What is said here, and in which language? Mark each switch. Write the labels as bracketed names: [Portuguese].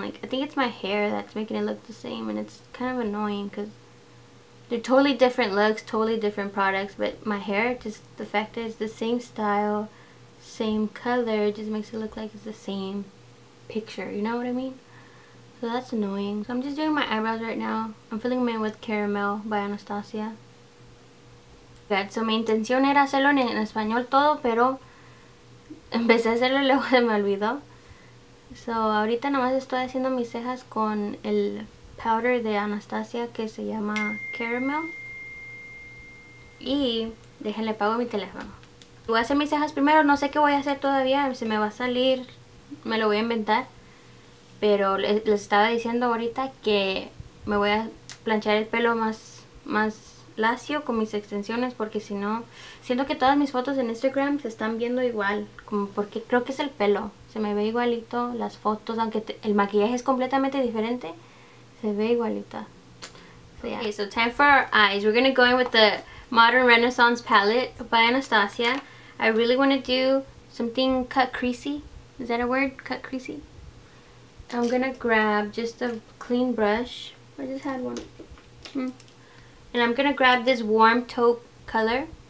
[English] Like, I think it's my hair that's making it look the same, and it's kind of annoying because they're totally different looks, totally different products, but my hair, just the fact that it's the same style, same color, just makes it look like it's the same picture, you know what I mean? So that's annoying. So I'm just doing my eyebrows right now. I'm filling them in with Caramel by Anastasia. Good. [Spanish] So mi intención era hacerlo en español todo, pero empecé a hacerlo y luego se me olvidó. So ahorita nomás estoy haciendo mis cejas con el powder de Anastasia que se llama Caramel. Y déjenle pago mi teléfono. Voy a hacer mis cejas primero. No sé qué voy a hacer todavía. Se me va a salir. Me lo voy a inventar. Pero les estaba diciendo ahorita que me voy a planchar el pelo más lacio con mis extensiones, porque si no, siento que todas mis fotos en Instagram se están viendo igual, como porque creo que es el pelo, se me ve igualito las fotos, aunque el maquillaje es completamente diferente, se ve igualita. [English] So, yeah. Okay, so time for our eyes. We're gonna go in with the Modern Renaissance palette by Anastasia. I really want to do something cut creasy. Is that a word? Cut creasy? I'm gonna grab just a clean brush. I just had one. And I'm gonna grab this warm taupe color.